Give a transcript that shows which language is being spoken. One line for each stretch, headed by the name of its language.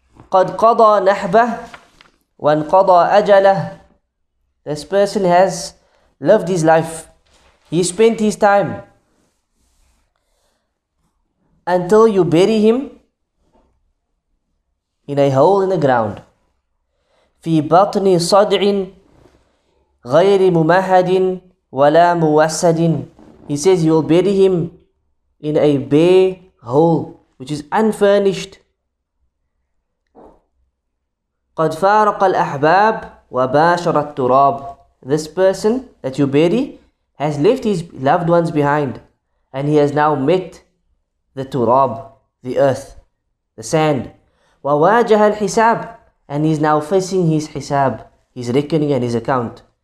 Arabic: قد قضى نحبه وانقضى أجله.
English: This person has lived his life. He spent his time until you bury him in a hole in the ground.
Arabic: في بطن صدع غير ممهد ولا موسد.
English: He says you will bury him in a bare hole which is unfurnished.
Arabic: قد فارق الأحباب وباشر التراب.
English: This person that you bury has left his loved ones behind, and he has now met the turab, the earth, the sand.
Arabic: وواجه الحساب.
English: And he is now facing his hisab, his reckoning and his account.